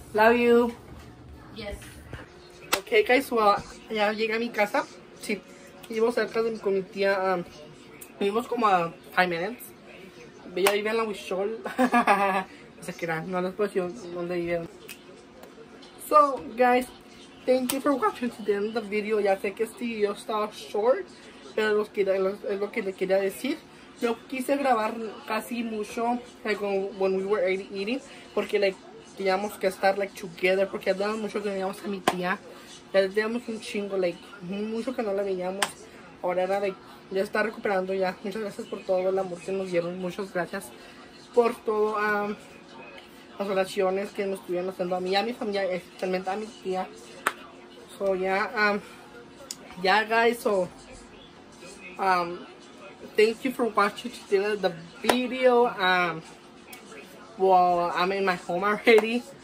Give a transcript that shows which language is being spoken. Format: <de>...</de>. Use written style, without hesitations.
<en>Love you. Yes. Hey guys, well,</en> <es>ya llegué a mi casa. Sí, vivo cerca de mi, con mi tía. Vivimos como a</es> <en>5 minutes.</en> <es>Ella vive en la Huichol. No sé qué era, no les puedo decir dónde vive.</es> <en>So, guys, thank you for watching the end of the video.</en> <es>Ya sé que este video estaba short, pero es lo que le quería decir. Yo quise grabar casi mucho, like,</es> <en>when we were eating,</en> <es>porque like, teníamos que estar like, together, porque hablaba mucho que teníamos a mi tía. Ya teníamos un chingo, like, mucho que no la veíamos. Ahora era de, ya está recuperando ya. Muchas gracias por todo el amor que nos dieron. Muchas gracias por todo, las oraciones que nos estuvieron haciendo a mí, a mi familia, especialmente a mi tía.</es> <en>So, ya, ya, guys, so, thank you for watching the video. Well, I'm in my home already.</en>